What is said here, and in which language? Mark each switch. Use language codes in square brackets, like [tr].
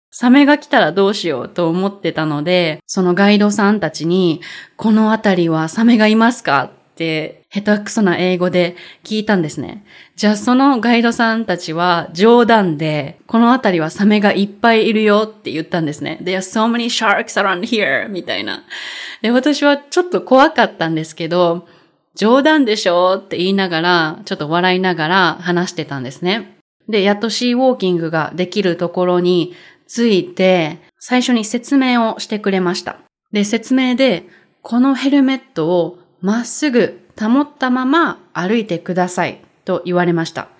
[ja] サメが来たらどうしようと思ってたので、そのガイドさんたちにこの辺りはサメがいますかって下手くそな英語で聞いたんですね。じゃあそのガイドさんたちは冗談でこの辺りはサメがいっぱいいるよって言ったんですね。 [en] There are so many sharks around here [ja] みたいな。で、私はちょっと怖かったんですけど、冗談でしょって言いながらちょっと笑いながら話してたんですね。で、やっとシーウォーキングができるところについて最初に説明をしてくれました。で、説明でこのヘルメットをまっすぐ保ったまま歩いてくださいと言われました。